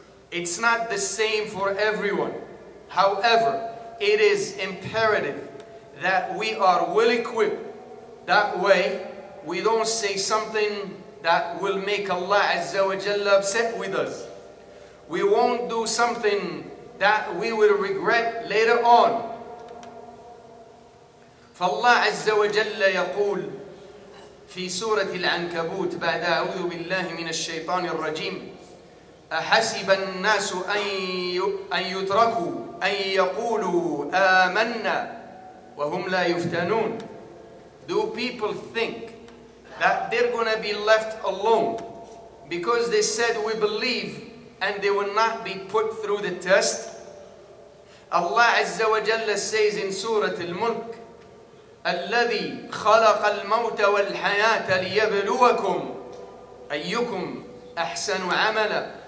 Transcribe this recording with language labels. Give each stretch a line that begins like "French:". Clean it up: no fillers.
English: It's not the same for everyone. However, it is imperative that we are well equipped. That way, we don't say something that will make Allah Azza wa Jalla upset with us. We won't do something that we will regret later on.
Arabic: فالله عز وجل يقول في سورة العنكبوت بعد أعوذ بالله من الشيطان الرجيم: أحسب الناس أن يتركوا أن يقولوا آمنا وهم لا يفتنون.
English: Do people think that they're gonna be left alone because they said we believe and they will not be put through the test?
Arabic: Allah Azza wa Jalla
English: says in
Arabic: Surah Al-Mulk: الذي خلق الموت والحياة ليبلوكم أيكم أحسن عملا.